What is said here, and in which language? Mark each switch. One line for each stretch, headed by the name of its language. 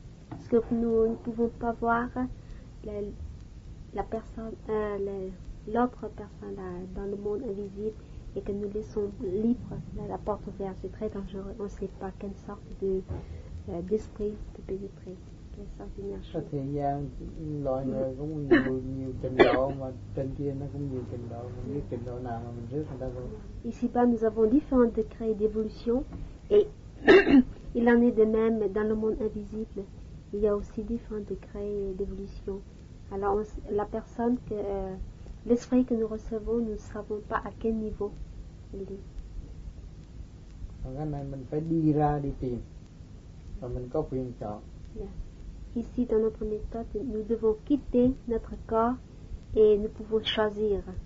French: Parce que nous ne pouvons pas voir la personne, l'autre personne là, dans le monde invisible, et que nous laissons libre là, la porte ouverte, c'est très dangereux. On ne sait pas quelle sorte de, d'esprit peut pénétrer.
Vietnamese: Có thời gian loài người cũng nhiều trình độ mà trên kia nó cũng nhiều trình độ, không biết trình độ nào mà mình rước người ta rồi.
French: Ici bas nous avons différents degrés d'évolution et il en est de même dans le monde invisible. Il y a aussi différents degrés d'évolution. Alors on, la personne que l'esprit que nous recevons, nous ne savons pas à quel niveau il est.
Vietnamese: Cái này mình phải đi ra đi tìm, rồi mình có quyền chọn.
French: Ici, dans notre méthode, nous devons quitter notre corps et nous pouvons choisir.